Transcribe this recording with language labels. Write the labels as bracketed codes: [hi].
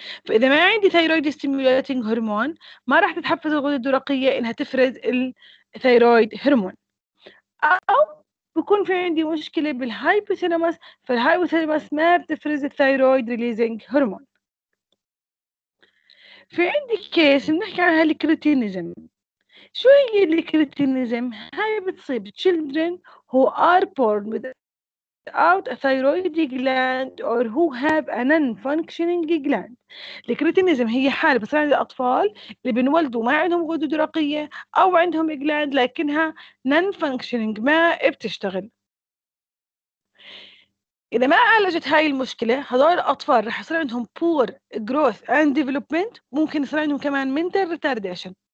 [ar] فإذا ما عندي [en] thyroid stimulating hormone [ar] ما راح تتحفز الغدة الدرقية إنها تفرز الثايرويد هرمون. أو بكون في عندي مشكلة بالهايبوثالامس، فالهايبوثالامس ما بتفرز الثايرويد ريليزينج هرمون. في عندي كيس بنحكي عنها الكريتينيزم. شو هي الكريتينيزم؟ هاي بتصيب [en] children who are born without a thyroid gland or who have a non-functioning gland. [ar] الكريتينيزم هي حالة بصير عند الأطفال اللي بنولدوا ما عندهم غدة درقية أو عندهم gland لكنها non-functioning ما بتشتغل. إذا ما عالجت هاي المشكلة هذول الأطفال رح يصير عندهم [en] poor growth and development، [ar] ممكن يصير عندهم كمان mental retardation.